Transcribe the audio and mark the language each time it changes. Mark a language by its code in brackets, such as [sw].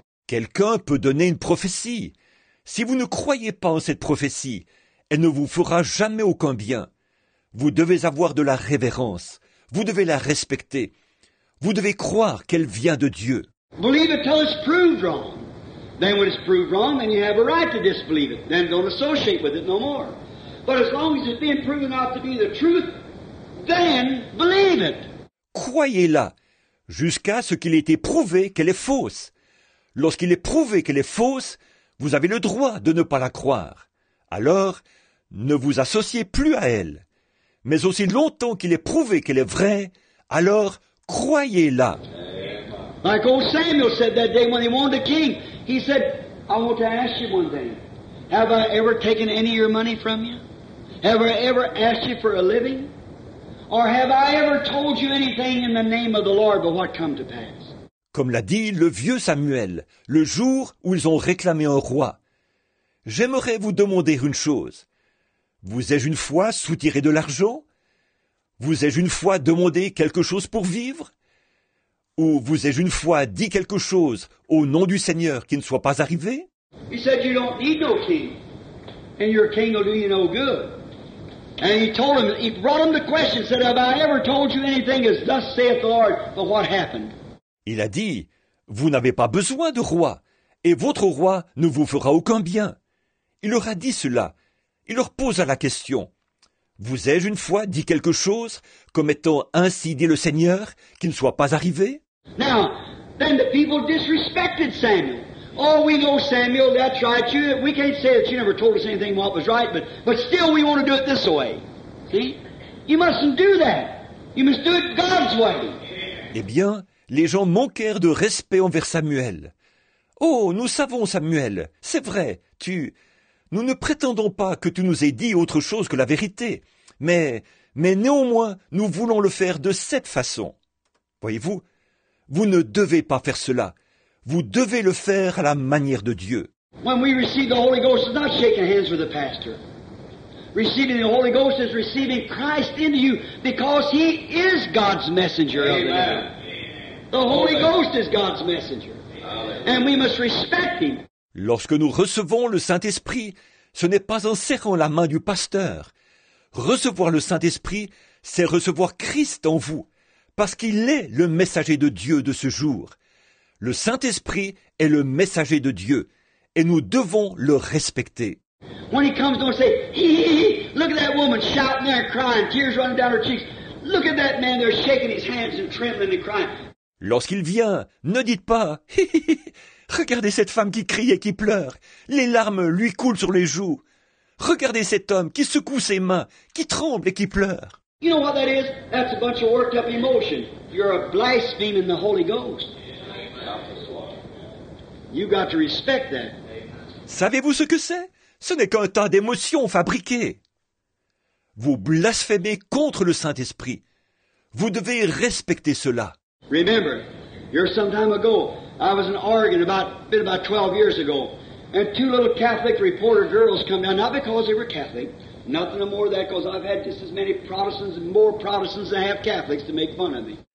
[fr] Quelqu'un peut donner une prophétie. Si vous ne croyez pas en cette prophétie, elle ne vous fera jamais aucun bien. Vous devez avoir de la révérence. Vous devez la respecter. Vous devez croire qu'elle vient de Dieu. [en] Believe it till it's proved wrong. Then when it's proved wrong, then you have a right to disbelieve it. Then don't associate with it no more. But as long as it's being proven out to be the truth, then believe it. [fr] Croyez-la jusqu'à ce qu'il ait été prouvé qu'elle est fausse. Lorsqu'il est prouvé qu'elle est fausse, vous avez le droit de ne pas la croire. Alors, ne vous associez plus à elle. Mais aussi longtemps qu'il est prouvé qu'elle est vraie, alors croyez-la. [en] Like old Samuel said that day when he wanted a king, he said, I want to ask you one thing. Have I ever taken any of your money from you? Have I ever asked you for a living? Or have I ever told you anything in the name of the Lord but what come to pass? [fr] Comme l'a dit le vieux Samuel, le jour où ils ont réclamé un roi. J'aimerais vous demander une chose. Vous ai-je une fois soutiré de l'argent? Vous ai-je une fois demandé quelque chose pour vivre? Ou vous ai-je une fois dit quelque chose au nom du Seigneur qui ne soit pas arrivé? [en] He said, you don't need no king, and your king will do you no good. And he told him, he brought him the question, said, have I ever told you anything as thus saith the Lord, but what happened? [fr] Il a dit, vous n'avez pas besoin de roi, et votre roi ne vous fera aucun bien. Il leur a dit cela. Il leur posa la question. Vous ai-je une fois dit quelque chose, comme étant ainsi dit le Seigneur, qui ne soit pas arrivé? [en] Now, then the people disrespected Samuel. Oh, we know, Samuel, that's right. We can't say that you never told us anything what was right, but still we want to do it this way. See? You mustn't do that. You must do it God's way. [fr] Eh bien, les gens manquèrent de respect envers Samuel. Oh, nous savons, Samuel, c'est vrai, nous ne prétendons pas que tu nous aies dit autre chose que la vérité, mais néanmoins, nous voulons le faire de cette façon. Voyez-vous, vous ne devez pas faire cela. Vous devez le faire à la manière de Dieu. [en] When we receive the Holy Ghost, it's not shaking hands with the pastor. Receiving the Holy Ghost is receiving Christ into you because He is God's messenger. Amen. The Holy Ghost is God's messenger. And we must respect Him. [fr] Lorsque nous recevons le Saint-Esprit, ce n'est pas en serrant la main du pasteur. Recevoir le Saint-Esprit, c'est recevoir Christ en vous, parce qu'il est le messager de Dieu de ce jour. Le Saint-Esprit est le messager de Dieu, et nous devons le respecter. [en] When he comes, don't say, look at that woman shouting there and crying, tears running down her cheeks. Look at that man there shaking his hands and trembling and crying. [fr] Lorsqu'il vient, ne dites pas, regardez cette femme qui crie et qui pleure, les larmes lui coulent sur les joues. Regardez cet homme qui secoue ses mains, qui tremble et qui pleure. [en] You know what that is? That's a bunch of worked up emotion. You're a blaspheming the Holy Ghost. You've got to respect that. [fr] Savez-vous ce que c'est? Ce n'est qu'un tas d'émotions fabriquées. Vous blasphémez contre le Saint-Esprit. Vous devez respecter cela. [en] Remember, here some time ago, I was in Oregon about 12 years ago, and two little Catholic reporter girls come down, not because they were Catholic, nothing more than that, because I've had just as many Protestants and more Protestants than I have Catholics to make fun of me.